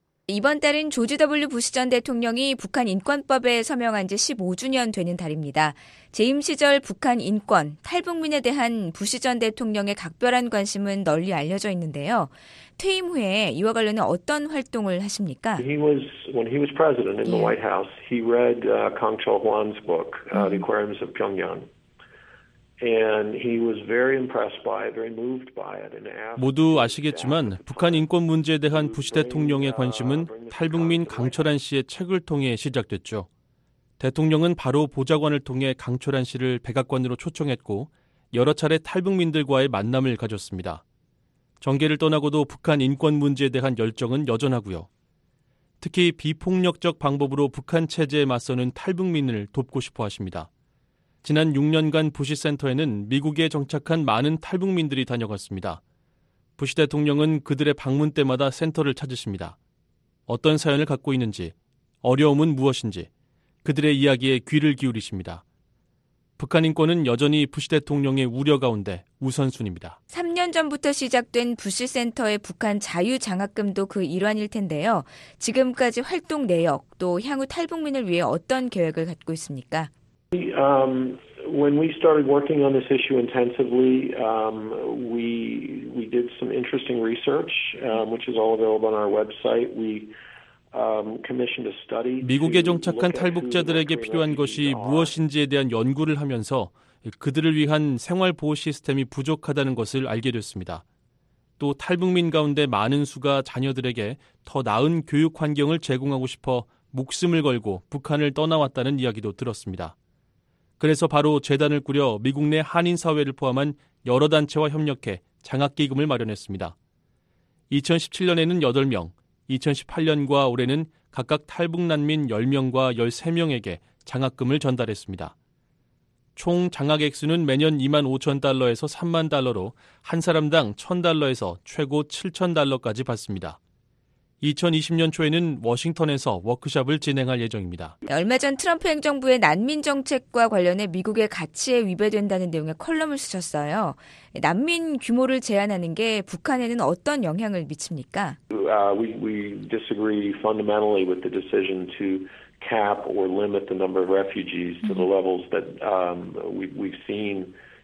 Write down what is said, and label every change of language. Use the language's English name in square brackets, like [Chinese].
[Korean] 이번 달은 조지 W. 부시 전 대통령이 북한 인권법에 서명한 지 15주년 되는 달입니다. 재임 시절 북한 인권, 탈북민에 대한 부시 전 대통령의 각별한 관심은 널리 알려져 있는데요. 퇴임 후에 이와 관련해 어떤 활동을 하십니까? [English] When he was president in the White House, he read Kang Cho-hwan's book, The Aquariums of Pyongyang. And he was very impressed by it, very moved by it. [Korean] 모두 아시겠지만 북한 인권 문제에 대한 부시 대통령의 관심은 탈북민 강철한 씨의 책을 통해 시작됐죠. 대통령은 바로 보좌관을 통해 강철한 씨를 백악관으로 초청했고 여러 차례 탈북민들과의 만남을 가졌습니다. 정계를 떠나고도 북한 인권 문제에 대한 열정은 여전하고요. 특히 비폭력적 방법으로 북한 체제에 맞서는 탈북민을 돕고 싶어 하십니다. 지난 6년간 부시 센터에는 미국에 정착한 많은 탈북민들이 다녀갔습니다. 부시 대통령은 그들의 방문 때마다 센터를 찾으십니다. 어떤 사연을 갖고 있는지, 어려움은 무엇인지 그들의 이야기에 귀를 기울이십니다. 북한 인권은 여전히 부시 대통령의 우려 가운데 우선순위입니다. 3년 전부터 시작된 부시 센터의 북한 자유장학금도 그 일환일 텐데요. 지금까지 활동 내역 또 향후 탈북민을 위해 어떤 계획을 갖고 있습니까? [English] When we started working on this issue intensively, we did some interesting research, which is all available on our website. We commissioned a study. [Korean] 미국에 정착한 탈북자들에게 필요한 것이 무엇인지에 대한 연구를 하면서 그들을 위한 생활 보호 시스템이 부족하다는 것을 알게 됐습니다. 또 탈북민 가운데 많은 수가 자녀들에게 더 나은 교육 환경을 제공하고 싶어 목숨을 걸고 북한을 떠나왔다는 이야기도 들었습니다. 그래서 바로 재단을 꾸려 미국 내 한인사회를 포함한 여러 단체와 협력해 장학기금을 마련했습니다. 2017년에는 8명, 2018년과 올해는 각각 탈북난민 10명과 13명에게 장학금을 전달했습니다. 총 장학액수는 매년 2만 5천 달러에서 3만 달러로 한 사람당 1천 달러에서 최고 7천 달러까지 받습니다. 2020년 초에는 워싱턴에서 워크숍을 진행할 예정입니다. 얼마 전 트럼프 행정부의 난민 정책과 관련해 미국의 가치에 위배된다는 내용의 컬럼을 쓰셨어요. 난민 규모를 제한하는 게 북한에는 어떤 영향을 미칩니까? [English] We disagree fundamentally with the decision to cap or limit the number of refugees to the levels that we've seen.